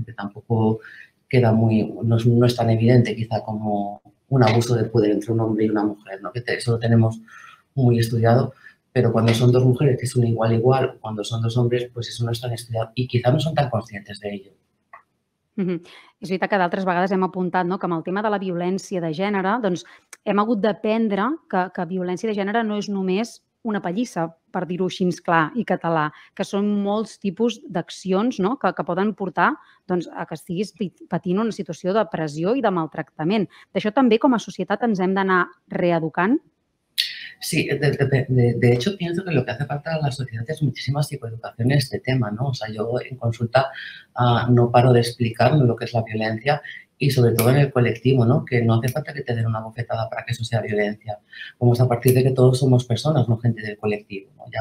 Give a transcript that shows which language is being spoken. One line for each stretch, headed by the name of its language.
Spanish: Que tampoco queda muy, no es tan evidente quizá como un abuso de poder entre un hombre y una mujer, ¿no? Que eso lo tenemos muy estudiado, pero cuando son dos mujeres, que es un igual, cuando son dos hombres, pues eso no es tan estudiado y quizá no son tan conscientes de ello.
Catalan: És veritat que d'altres vegades hem apuntat, no?, que amb el tema de la violència de gènere, doncs hem hagut d'aprendre que violència de gènere no és només una pallissa, per dir-ho així clar i català, que són molts tipus d'accions, no?, que poden portar, doncs, a que estiguis patint una situació de pressió i de maltractament. D'això també com a societat ens hem d'anar reeducant.
Spanish: Sí, de hecho pienso que lo que hace falta a la sociedad es muchísima psicoeducación en este tema, ¿no? O sea, yo en consulta no paro de explicar lo que es la violencia y sobre todo en el colectivo, ¿no? Que no hace falta que te den una bofetada para que eso sea violencia. Como es a partir de que todos somos personas, no gente del colectivo, ¿no?